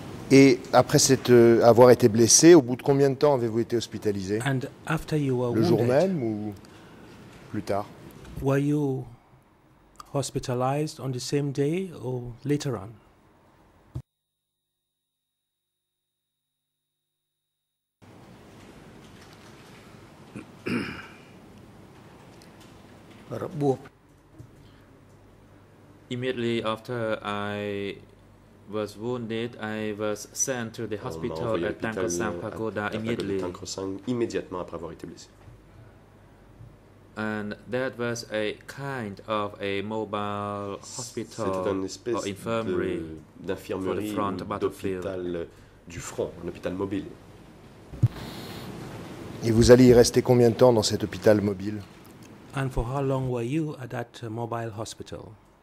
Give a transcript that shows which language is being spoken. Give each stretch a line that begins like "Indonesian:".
French: Et après cette, avoir été blessé, au bout de combien de temps avez-vous été hospitalisé?
English: And after you were
French: Le
English: wounded,
French: jour même ou plus tard?
English: Were you hospitalized on the same day or later on? Immediately after I was wounded, I was sent to the hospital at Tangkrosang Pagoda immediately.
French: Immédiatement après avoir été blessé.
English: And that was a kind of a mobile hospital or infirmary for the front battlefield.
French: Hôpital du front, un hôpital mobile. Et vous allez y rester combien de temps dans cet hôpital mobile?
English: And for how long were you at that mobile hospital?